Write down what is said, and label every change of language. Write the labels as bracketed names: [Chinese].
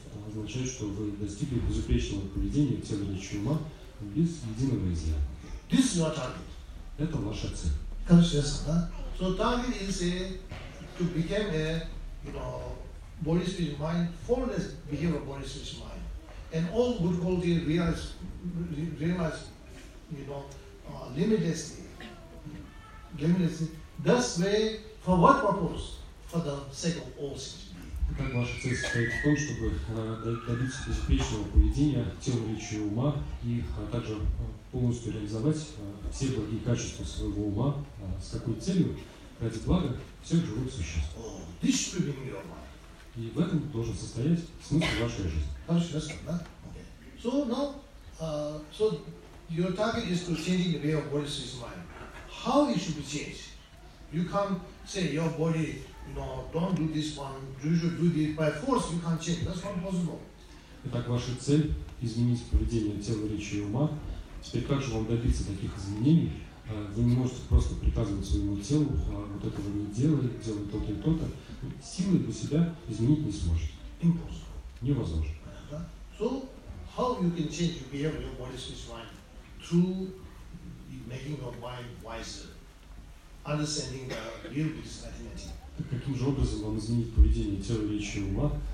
[Russian] Означает, что вы достигли безупречного поведения тела, речи и ума без единого изъяна. [English] This is your target. [Russian] Это ваша цель. Хорошо, yes, да? [English] So target is to become a, you know, body, speech, mind, faultless behavior, body, speech, mind, and all good qualities realize, you know, limitlessly. Thus, way for what purpose? For the sake of all things. [Russian] Итак, ваша цель состоит в том, чтобы добиться безупречного поведения тела, речи и ума, и также полностью реализовать все благие качества своего ума. С какой целью? Ради блага всех живых существ. И в этом должен состоять смысл вашей жизни. Хорошо, я сказал, да? [English] So now, so your target is to change the way of body is mine. How it should be changed? You can't say your body, no, don't do this one, you should do this by force, you can't change. That's not possible. [Russian] Итак, ваша цель – изменить поведение тела, речи и ума. Теперь как же вам добиться таких изменений? Вы не можете просто приказывать своему телу, а вот этого не делай, делай то-то и то-то. Силой для себя изменить не сможете. [English] Impossible. [Russian] Невозможно. [English] So, how you can change your behavior, your body, speech, mind? Through making your mind wiser, understanding the real business mathematics. [Russian] Так каким же образом вам изменить поведение тела, речи и ума?